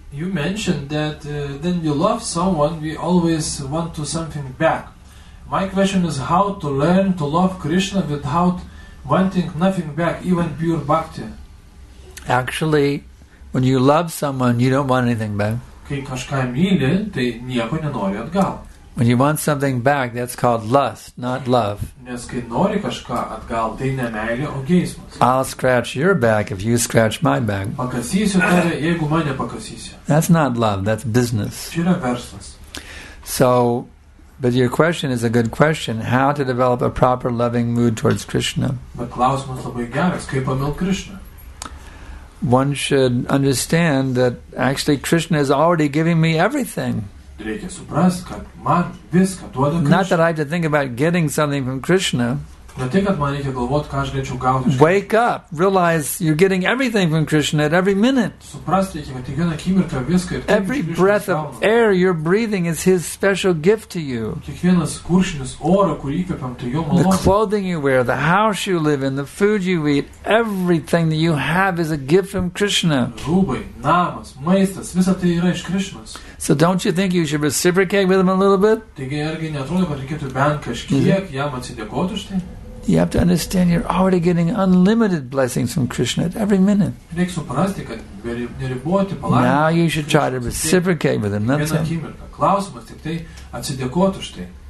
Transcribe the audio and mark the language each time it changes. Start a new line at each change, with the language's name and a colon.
English: You mentioned that when you love someone, we always want to something back. My question is how to learn to love Krishna without wanting nothing back, even pure bhakti. Actually, when you love someone, you don't want anything back.
Lithuanian: Kai kažką myli, tai nieko nenori atgal.
English: When you want something back, that's called lust, not love.
Lithuanian: Nes kai nori kažką atgal, tai ne meilė, o geismas.
English: I'll scratch your back if you scratch my back.
Lithuanian: Pakasysiu tave, jeigu mane pakasysiu.
English: That's not love, that's business.
Lithuanian: Čia yra verslas.
English: So, but your question is a good question. How to develop a proper loving mood towards Krishna?
Lithuanian: Bet klausimas labai geras. Kaip pamilti Krishna?
English: One should understand that actually Krishna is already giving me everything.
Lithuanian: Reikia suprast, kad man viską duoda Krishna.
English: Not that I have to think about getting something from Krishna.
Lithuanian: Ne tik, kad man reikia galvot, ką aš galėčiau gauti.
English: Wake up, realize you're getting everything from Krishna at every minute.
Lithuanian: Suprast reikia, kad kiekvieną akimirką viską.
English: Every breath of air you're breathing is his special gift to you.
Lithuanian: Kiekvienas kuršinis oro, kurį įkvepiam, tai jo malonė.
English: The clothing you wear, the house you live in, the food you eat, everything that you have is a gift from Krishna.
Lithuanian: Rūbai, namas, maistas, visa tai yra iš Krishnas.
English: So don't you think you should reciprocate with him a little bit?
Lithuanian: Taigi, argi neatrodo, kad reikėtų bent kažkiek jam atsidėkoti už tai?
English: You have to understand you're already getting unlimited blessings from Krishna at every minute.
Lithuanian: Reikia suprasti, kad neriboti palaimą.
English: Now you should try to reciprocate with him.
Lithuanian: Vieną akimirką. Klausimas tik tai atsidėkoti už tai.